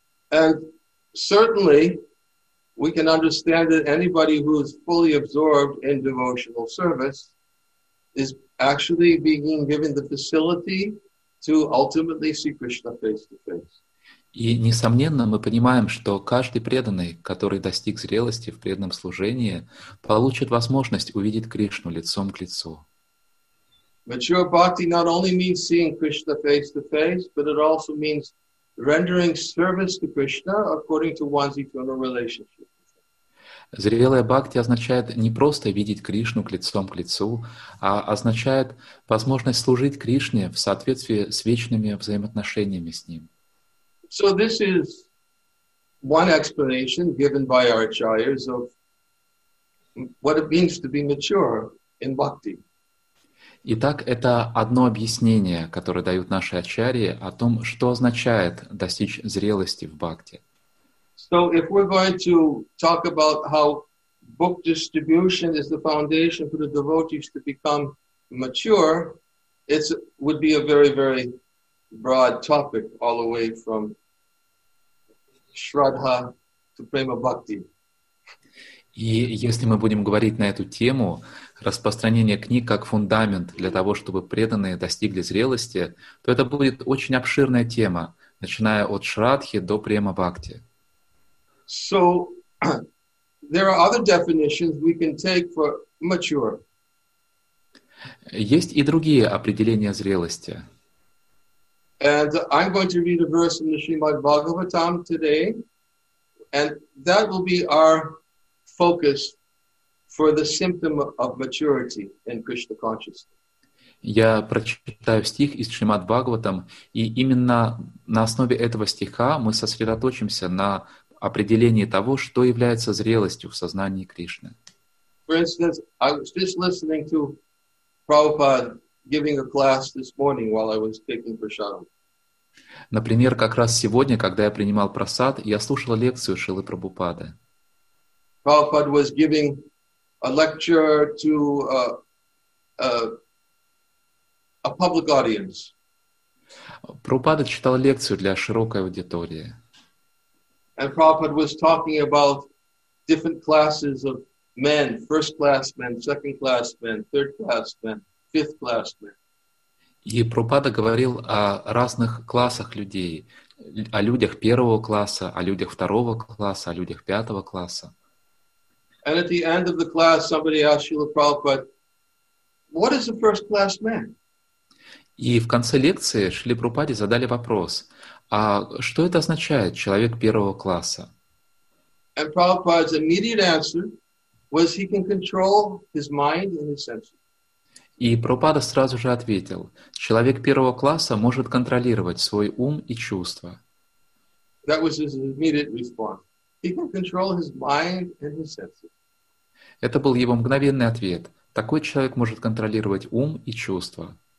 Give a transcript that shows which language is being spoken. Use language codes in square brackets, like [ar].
[en] And certainly we can understand that anybody who is fully absorbed in devotional service is actually being given the facility to ultimately see Krishna face to face. [ru] И несомненно, мы понимаем, что каждый преданный, который достиг зрелости в преданном служении, получит возможность увидеть Кришну лицом к лицу. [en] Mature bhakti not only means seeing Krishna face to face, but it also means rendering service to Krishna according to one's eternal relationship. [ru] Зрелая бхакти означает не просто видеть Кришну лицом к лицу, а означает возможность служить Кришне в соответствии с вечными взаимоотношениями с Ним. [en] So this is one explanation given by our acharyas of what it means to be mature in bhakti. [ru] Итак, это одно объяснение, которое дают наши ачарьи о том, что означает достичь зрелости в бхакти. [en] So if we're going to talk about how book distribution is the foundation for the devotees to become mature, it would be a very, very broad topic all the way from Shraddha to Prema Bhakti. [ru] И если мы будем говорить на эту тему, распространение книг как фундамент для того, чтобы преданные достигли зрелости, то это будет очень обширная тема, начиная от Шрадхи до Према Бхакти. [en] So there are other definitions we can take for mature. [ru] Есть и другие определения зрелости. [en] And I'm going to read a verse in the Srimad Bhagavatam today, and that will be our focus for the symptom of maturity in Krishna consciousness. [ru] Я прочитаю стих из Шримад Бхагаватам, и именно на основе этого стиха мы сосредоточимся на определении того, что является зрелостью в сознании Кришны. [en] For instance, I was just listening to Prabhupada giving a class this morning while I was taking prasadam. [ru] Например, как раз сегодня, когда я принимал прасад, я слушал лекцию Шрилы Прабхупады. [en] Prabhupada was giving a lecture to a public audience. [ru] Прабхупада читал лекцию для широкой аудитории. [en] And Prabhupada was talking about different classes of men, first class men, second class men, third class men, fifth class men. [ru] И Прабхупада говорил о разных классах людей, о людях первого класса, о людях второго класса, о людях пятого класса. [en] And at the end of the class, somebody asked Srila Prabhupada, what is a first class man? [ru] И в конце лекции Шрила Прабхупаде задали вопрос, а что это означает человек первого класса? [en] And Prabhupada's immediate answer was he can control his mind and his senses. [ru] И Прабхупада сразу же ответил, человек первого класса может контролировать свой ум и чувства. [en] That was his immediate response. He can control his mind and his senses. [ru] Это был его мгновенный ответ. Такой человек может контролировать ум и чувства.